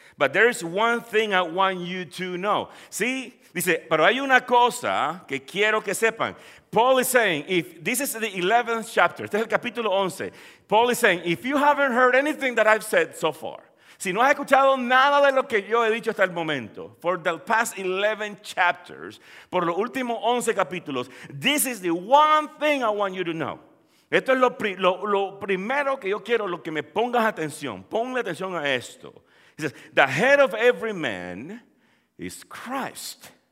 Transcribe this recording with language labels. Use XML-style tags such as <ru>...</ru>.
<en>But there is one thing I want you to know.</en> <es>¿Sí? Dice, pero hay una cosa que quiero que sepan.</es> <en>Paul is saying, if this is the 11th chapter,</en> <es>este es el capítulo 11.</es> <en>Paul is saying, if you haven't heard anything that I've said so far,</en> <es>si no has escuchado nada de lo que yo he dicho hasta el momento,</es> <en>for the past 11 chapters,</en> <es>por los últimos 11 capítulos,</es> <en>this is the one thing I want you to know.</en> <es>Esto es lo primero que yo quiero, lo que me pongas atención. Ponle atención a esto.</es> <en>He says, the head of every man is Christ.</en>